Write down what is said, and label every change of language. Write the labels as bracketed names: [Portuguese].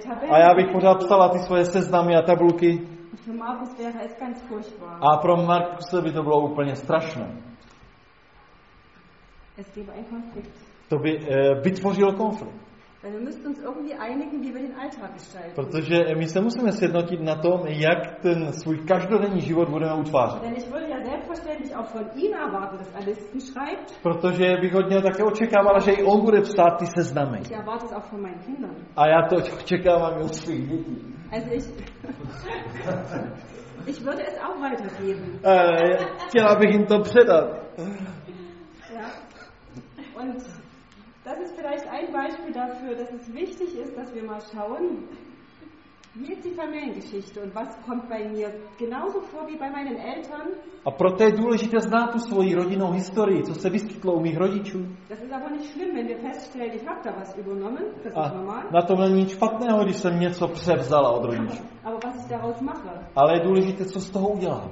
[Czech] A já bych pořád psala ty svoje seznamy a tabulky. [German] Und für Markus wäre es ganz furchtbar. [Czech] A pro Markuse by to bylo úplně strašné. [German] Es gäbe ein Konflikt. [Czech] To by vytvořilo konflikt. [German] Wir müssen uns irgendwie einigen, wie wir den Alltag gestalten. [Czech] Protože my se musíme sjednotit na tom, jak ten svůj každodenní život budeme utvářet. [German] Denn ich würde ja selbstverständlich auch von Ihnen erwarten, dass er Listen schreibt. [Czech] Protože bych od něho také očekával, že i on bude psát ty seznamy. [German] Ich erwarte es auch von meinen Kindern. [Czech] A já to očekávám i od svých dětí. [German] Also ich ich würde es auch weitergeben. [Czech] Chtěla bych jim to předat. [German] Ja. Und das ist vielleicht ein Beispiel dafür, dass es wichtig ist, dass wir mal schauen, wie ist die Familiengeschichte und was kommt bei mir genauso vor wie bei meinen Eltern. [Czech] A proto je důležité znát tu svoji rodinnou historii, co se vyskytlo u mých rodičů. [German] Das ist aber nicht schlimm, wenn wir feststellen, ich habe da was übernommen, das ist normal. [Czech] Na tom není nic špatného, když jsem něco převzala od rodičů. [German] Aber was ich daraus mache. [Czech] Ale je důležité, co z toho udělám.